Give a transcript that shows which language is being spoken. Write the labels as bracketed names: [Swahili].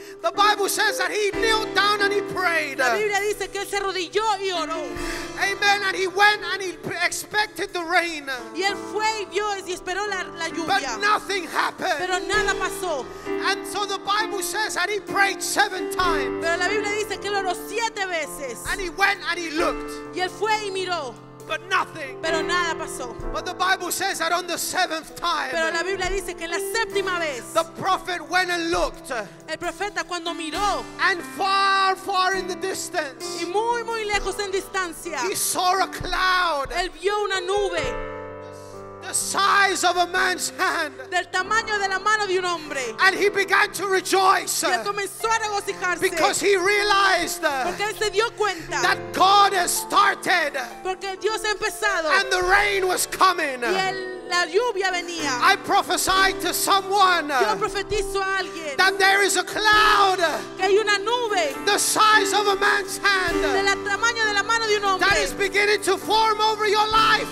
[English] The Bible says that he kneeled down and he prayed. [Spanish] La Biblia dice que él se arrodilló y oró. [English] Amen. And he went and he expected the rain. [Spanish] Y él fue y vio y esperó la, la lluvia. [English] But nothing happened. [Spanish] Pero nada pasó. [English] And so the Bible says that he prayed 7 times. [Spanish] Pero la Biblia dice que él oró 7 veces. [English] And he went and he looked. [Spanish] Y él fue y miró. [English] But nothing. [Spanish] Pero nada pasó. [English] But the Bible says that on the 7th time. [Spanish] Pero la Biblia dice que en la séptima vez. [English] The prophet went and looked. [Spanish] El profeta cuando miró. [English] And far, far in the distance. [Spanish] Y muy, muy lejos en distancia. [English] He saw a cloud. [Spanish] Él vio una nube. [English] The size of a man's hand. [Spanish] Del tamaño de la mano de un hombre. [English] And he began to rejoice. [Spanish] Y él comenzó a regocijarse. [English] Because he realized. [Spanish] Porque él se dio cuenta. [English] That God has started. [Spanish] Porque Dios ha empezado. [English] And the rain was coming. [Spanish] Y el, la lluvia venía. [English] I prophesied to someone. [Spanish] Yo profetizo a alguien. [English] That there is a cloud. [Spanish] Que hay una nube. [English] The size of a man's hand. [Spanish] Del tamaño de la mano de un hombre. [English] That is beginning to form over your life.